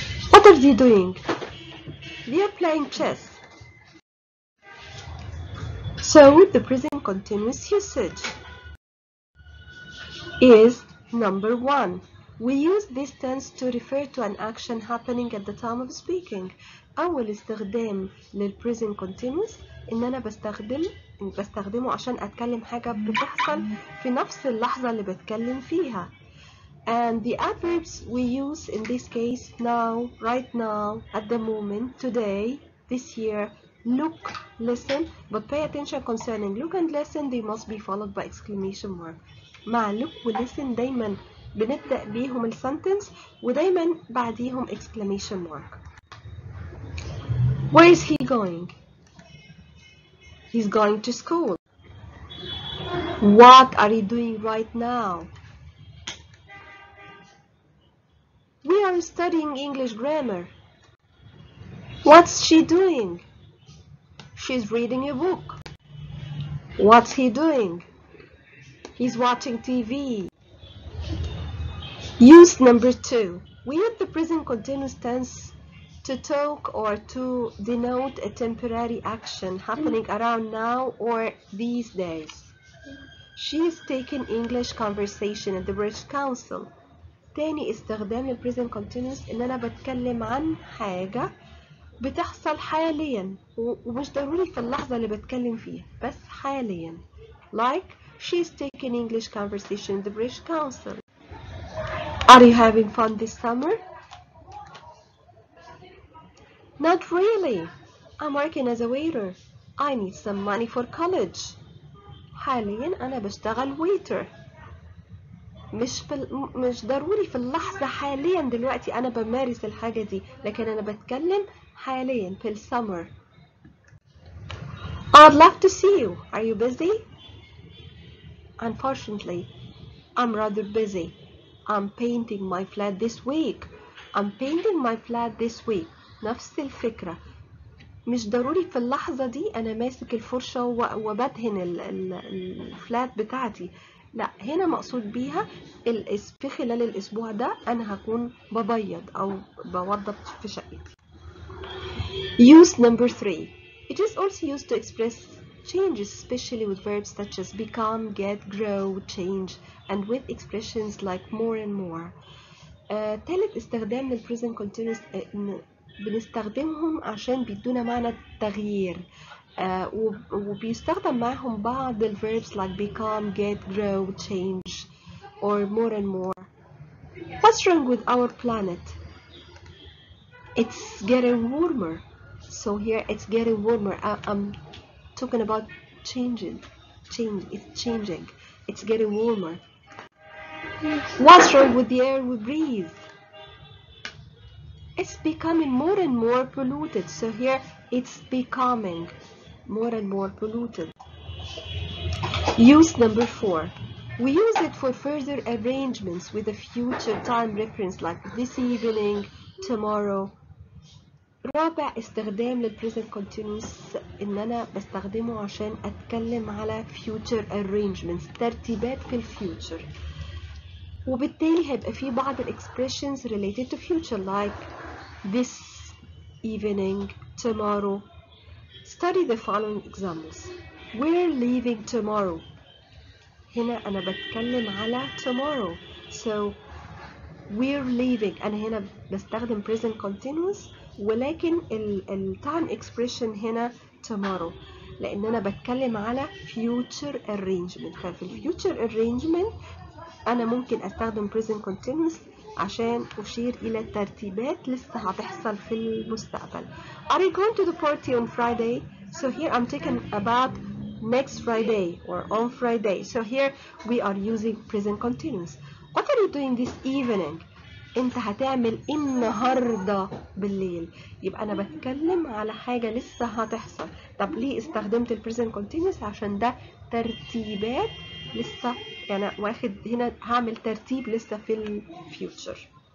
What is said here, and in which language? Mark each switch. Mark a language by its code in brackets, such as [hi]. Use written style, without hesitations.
[en] What are you doing? We are playing chess. So the present continuous usage is number one. We use this tense to refer to an action happening at the time of speaking. [ar] أول استخدام للpresent continuous إن أنا بستخدمه عشان أتكلم حاجة بتحصل في نفس اللحظة اللي بتكلم فيها. [en] And the adverbs we use in this case now, right now, at the moment, today, this year, look, listen, but pay attention concerning look and listen, they must be followed by exclamation mark. [ar] مع look و listen دايما بنبدأ بيهم السنتنس ودايما بعديهم exclamation mark. [en] Where is he going? He's going to school. What are you doing right now? We are studying English grammar. What's she doing? She's reading a book. What's he doing? He's watching TV. Use number two. We have the present continuous tense to talk or to denote a temporary action happening around now or these days. She is taking English conversation at the British Council. [ar] تاني استخدام للpresent continuous ان انا بتكلم عن حاجة بتحصل حاليا ومش ضروري في اللحظة اللي بتكلم فيها بس حاليا. [en] Like she's taking English conversation in the British Council. Are you having fun this summer? Not really. I'm working as a waiter. I need some money for college. [ar] حاليا أنا بشتغل waiter. مش ضروري في اللحظة حاليا دلوقتي أنا بمارس الحاجة دي لكن أنا بتكلم حاليا في السمر. [en] I'd love to see you. Are you busy? Unfortunately, I'm rather busy. I'm painting my flat this week. I'm painting my flat this week. [ar] نفس الفكرة. مش ضروري في اللحظة دي أنا ماسك الفرشة وبدهن الفلات بتاعتي. لا هنا مقصود بيها في خلال الأسبوع ده أنا هكون ببيض أو بوضب في شقتي. [en] Use number three. It is also used to express changes, especially with verbs such as become, get, grow, change, and with expressions like more and more. [ar] تالت استخدام للpresent continuous بنستخدمهم عشان بيدونا معنى التغيير وبيستخدم معهم بعض الverbs [en] like become, get, grow, change, or more and more. What's wrong with our planet? It's getting warmer. So here it's getting warmer. I'm talking about changing. It's changing. It's getting warmer. What's wrong with the air we breathe? It's becoming more and more polluted. So here it's becoming more and more polluted. Use number four. We use it for further arrangements with a future time reference like this evening, tomorrow. [ar] رابع استخدام للpresent continuous إن أنا بستخدمه عشان أتكلم على future arrangements ترتيبات في الfuture وبالتالي هيبقى في بعض [en] expressions related to future like this evening, tomorrow. Study the following examples. We're leaving tomorrow. [ar] هنا أنا بتكلم على tomorrow. [en] So we're leaving. [ar] أنا هنا بستخدم present continuous ولكن الـ time expression هنا tomorrow لأن أنا بتكلم على future arrangement. ففي future arrangement أنا ممكن أستخدم present continuous عشان أشير إلى ترتيبات لسه هتحصل في المستقبل. [en] Are you going to the party on Friday? So here I'm talking about next Friday or on Friday. So here we are using present continuous. What are you doing this evening? [ar] انت هتعمل ايه النهارده بالليل يبقى انا بتكلم على حاجه لسه هتحصل طب ليه استخدمت البريزنت كونتينوس عشان ده ترتيبات لسه يعني واخد هنا هعمل ترتيب لسه في الفيوتشر